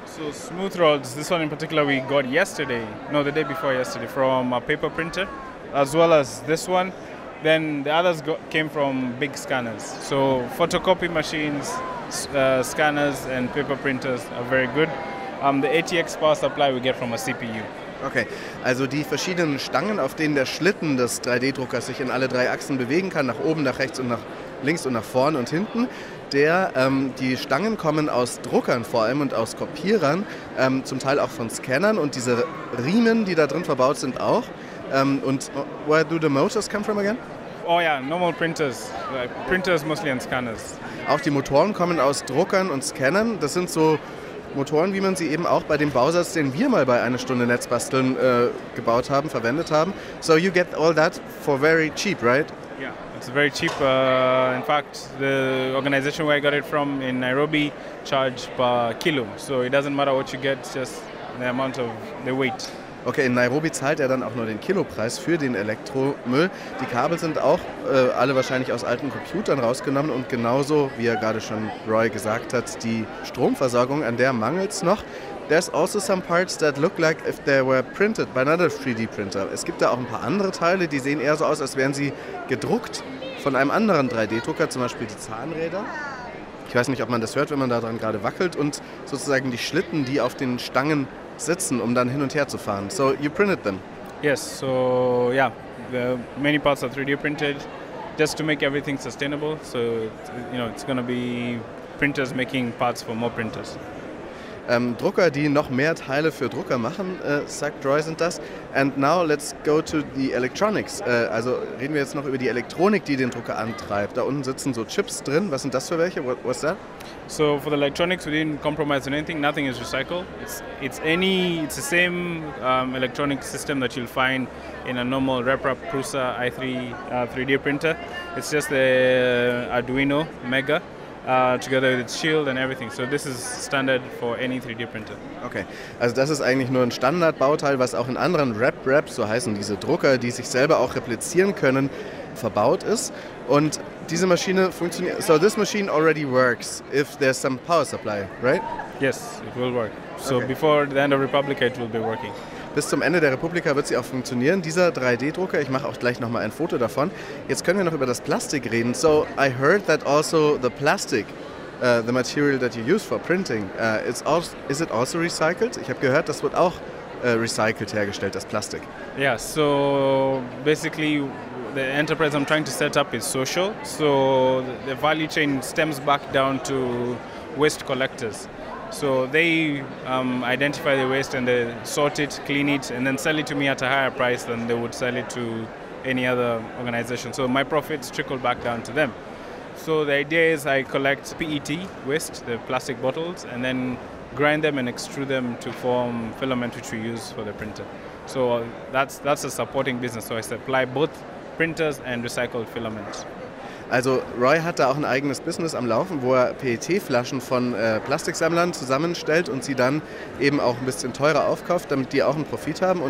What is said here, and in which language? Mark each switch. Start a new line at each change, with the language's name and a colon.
English: So smooth rods, this one in particular we got yesterday, no, the day before yesterday, from a paper printer, as well as this one. Then the others came from big scanners. So photocopy machines, scanners and paper printers are very good. The ATX power supply we get from a CPU.
German: Okay, also die verschiedenen Stangen, auf denen der Schlitten des 3D-Druckers sich in alle drei Achsen bewegen kann, nach oben, nach rechts und nach links und nach vorne und hinten, die Stangen kommen aus Druckern vor allem und aus Kopierern, zum Teil auch von Scannern und diese Riemen, die da drin verbaut sind, auch.
English: Und where do the motors come from again? Oh yeah, normal printers. Like printers mostly and scanners.
German: Auch die Motoren kommen aus Druckern und Scannern. Das sind so Motoren, wie man sie eben auch bei dem Bausatz, den wir mal bei einer Stunde Netzbasteln gebaut haben, verwendet haben.
English: So you get all that for very cheap, right? Yeah, it's very cheap. In fact, the organization where I got it from in Nairobi charge per kilo. So it doesn't matter what you get, just the amount of the weight.
German: Okay, in Nairobi zahlt er dann auch nur den Kilopreis für den Elektromüll. Die Kabel sind auch alle wahrscheinlich aus alten Computern rausgenommen und genauso, wie er gerade schon Roy gesagt hat, die Stromversorgung, an der mangelt es noch.
English: There's also some parts that look like if they were printed by another 3D printer.
German: Es gibt da auch ein paar andere Teile, die sehen eher so aus, als wären sie gedruckt von einem anderen 3D-Drucker, zum Beispiel die Zahnräder. Ich weiß nicht, ob man das hört, wenn man da dran gerade wackelt und sozusagen die Schlitten, die auf den Stangen sitzen, um dann hin und her zu fahren.
English: So, you printed them? Yes, so, yeah, the many parts are 3D printed, just to make everything sustainable. So, you know, it's going to be printers making parts for more printers.
German: Drucker, die noch mehr Teile für Drucker machen, sagt Roy, sind das.
English: And now let's go to the electronics.
German: Also reden wir jetzt noch über die Elektronik, die den Drucker antreibt. Da unten sitzen so Chips drin. Was sind das für welche?
English: What's that? So for the electronics, we didn't compromise on anything. Nothing is recycled. It's the same electronic system that you'll find in a normal RepRap Prusa i3 3D printer. It's just the Arduino Mega. Together with its shield and everything. So this is standard for any 3D printer.
German: Okay, also das ist eigentlich nur ein Standardbauteil, was auch in anderen RepRap, so heißen diese Drucker, die sich selber auch replizieren können, verbaut ist. Und diese Maschine funktioniert.
English: So this machine already works if there's some power supply, right? Yes, it will work. So okay. Before the end of Republika, it will be working.
German: Bis zum Ende der Republika wird sie auch funktionieren. Dieser 3D-Drucker, ich mache auch gleich nochmal ein Foto davon. Jetzt können wir noch über das Plastik reden.
English: So, I heard that also the plastic, the material that you use for printing, is it also recycled?
German: Ich habe gehört, das wird auch recycelt hergestellt, das Plastik.
English: Yeah, so basically the enterprise I'm trying to set up is social. So the value chain stems back down to waste collectors. So they identify the waste and they sort it, clean it, and then sell it to me at a higher price than they would sell it to any other organization. So my profits trickle back down to them. So the idea is I collect PET waste, the plastic bottles, and then grind them and extrude them to form filament, which we use for the printer. So that's a supporting business. So I supply both printers and recycled filament.
German: Also Roy hat da auch ein eigenes Business am Laufen, wo er PET-Flaschen von Plastiksammlern zusammenstellt und sie dann eben auch ein bisschen teurer aufkauft, damit die auch einen Profit haben.